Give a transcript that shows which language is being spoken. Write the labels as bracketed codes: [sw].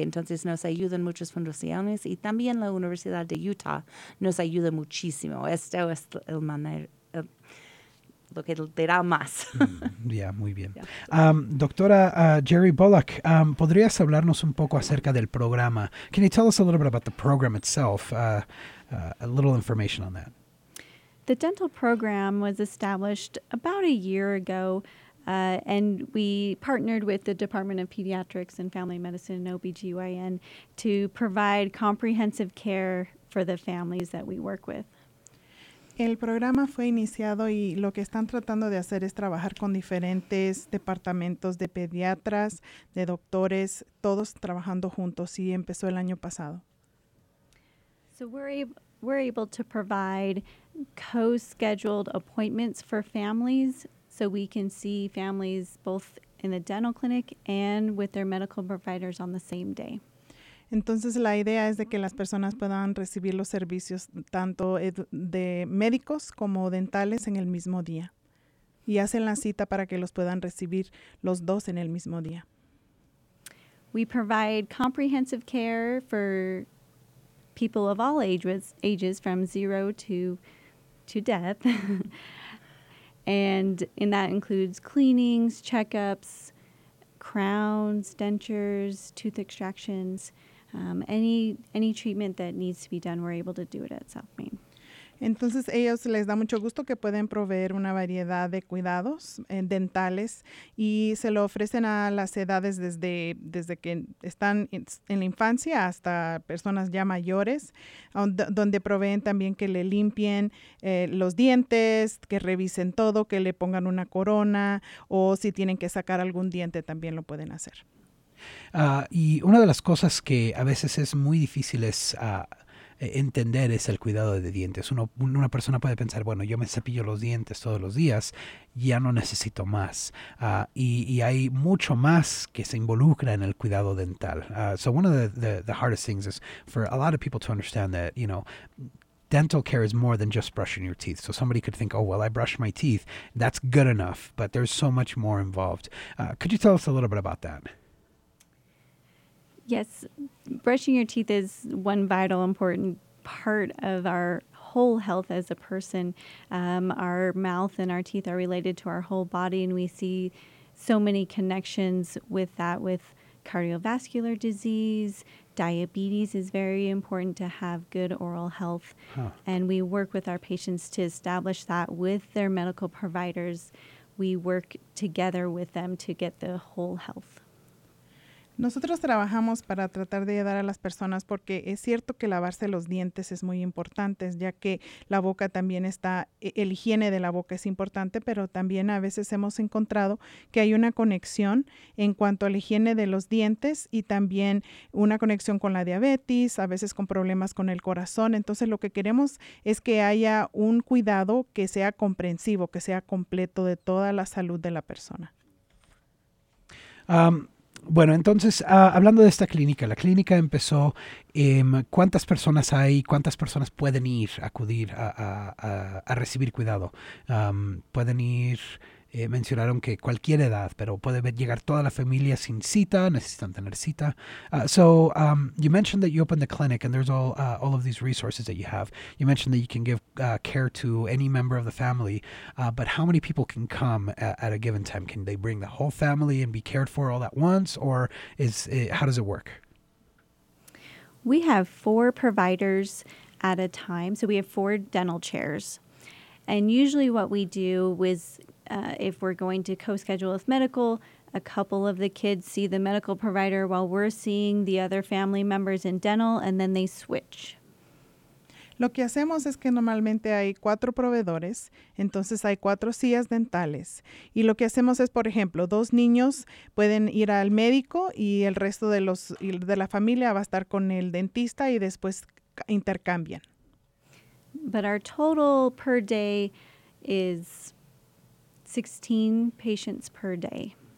[es] Entonces nos ayudan muchas fundaciones y también la Universidad de Utah nos ayuda muchísimo. Esto es el manera. Lo que te da más. Muy bien. [en] Yeah. [es] Doctora Jerry Bullock, ¿podrías hablarnos un poco acerca del programa? [en] Can you tell us a little bit about the program itself? A little information on that. The dental program was established about a year ago, and we partnered with the Department of Pediatrics and Family Medicine and OBGYN to provide comprehensive care for the families that we work with. [es] El programa fue iniciado y lo que están tratando de hacer es trabajar con diferentes departamentos de pediatras, de doctores, todos trabajando juntos y empezó el año pasado. [en] So we're able to provide co-scheduled appointments for families so we can see families both in the dental clinic and with their medical providers on the same day. [es] Entonces, la idea es de que las personas puedan recibir los servicios tanto de médicos como dentales en el mismo día. Y hacen la cita para que los puedan recibir los dos en el mismo día. [en] We provide comprehensive care for people of all ages from zero to death. And that includes cleanings, checkups, crowns, dentures, tooth extractions. Any treatment that needs to be done, we're able to do it at South Main. [es] Entonces, ellos les da mucho gusto que pueden proveer una variedad de cuidados dentales y se lo ofrecen a las edades desde que están en la infancia hasta personas ya mayores, donde proveen también que le limpien los dientes, que revisen todo, que le pongan una corona o si tienen que sacar algún diente también lo pueden hacer. Y una de las cosas que a veces es muy difícil es entender es el cuidado de dientes. Una persona puede pensar, bueno, yo me cepillo los dientes todos los días, ya no necesito más. Y hay mucho más que se involucra en el cuidado dental. [en] So one of the hardest things is for a lot of people to understand that, you know, dental care is more than just brushing your teeth. So somebody could think, oh, well, I brush my teeth. That's good enough. But there's so much more involved. Could you tell us a little bit about that? Yes, brushing your teeth is one vital important part of our whole health as a person. Our mouth and our teeth are related to our whole body, and we see so many connections with that, with cardiovascular disease. Diabetes is very important to have good oral health. Huh. And we work with our patients to establish that with their medical providers. We work together with them to get the whole health. [es] Nosotros trabajamos para tratar de ayudar a las personas porque es cierto que lavarse los dientes es muy importante, ya que la boca también está, el higiene de la boca es importante, pero también a veces hemos encontrado que hay una conexión en cuanto a la higiene de los dientes y también una conexión con la diabetes, a veces con problemas con el corazón. Entonces, lo que queremos es que haya un cuidado que sea comprensivo, que sea completo de toda la salud de la persona. Bueno, entonces, hablando de esta clínica, la clínica empezó, ¿cuántas personas hay? ¿Cuántas personas pueden ir acudir a recibir cuidado? Pueden ir, mencionaron que cualquier edad, pero puede llegar toda la familia sin cita, necesitan tener cita. [en] So you mentioned that you opened the clinic and there's all of these resources that you have. You mentioned that you can give care to any member of the family, but how many people can come at a given time? Can they bring the whole family and be cared for all at once, or how does it work? We have four providers at a time, so we have four dental chairs. And usually what we do is, if we're going to co-schedule with medical, a couple of the kids see the medical provider while we're seeing the other family members in dental, and then they switch. [es] Lo que hacemos es que normalmente hay cuatro proveedores, entonces hay cuatro sillas dentales. Y lo que hacemos es, por ejemplo, dos niños pueden ir al médico y el resto de la familia va a estar con el dentista y después intercambian. [en] But our total per day is 16 patients per day.